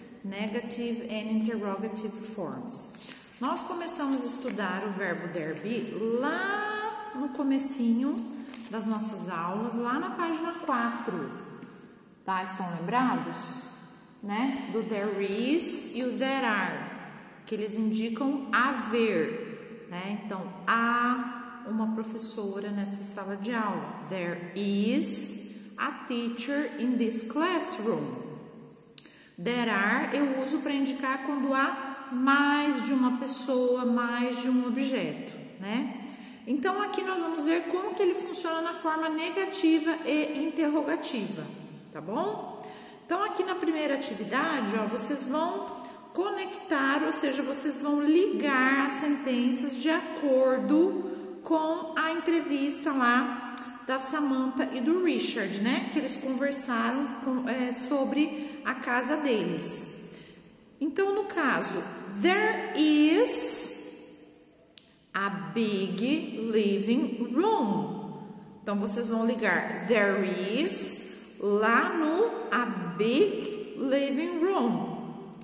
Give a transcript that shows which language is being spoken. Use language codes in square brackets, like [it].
[en] Negative and interrogative forms. [pt] Nós começamos a estudar o verbo there be lá no comecinho das nossas aulas, lá na página 4, tá? Estão lembrados? Né? Do there is e o there are, que eles indicam haver. É, então, há uma professora nesta sala de aula. [en] There is a teacher in this classroom. [pt] There are, eu uso para indicar quando há mais de uma pessoa, mais de um objeto. Né? Então, aqui nós vamos ver como que ele funciona na forma negativa e interrogativa. Tá bom? Então, aqui na primeira atividade, ó, vocês vão conectar, ou seja, vocês vão ligar as sentenças de acordo com a entrevista lá da Samantha e do Richard, né? Que eles conversaram com, sobre a casa deles. Então, no caso, [en] there is a big living room. [pt] Então, vocês vão ligar there is lá no [en] a big living room.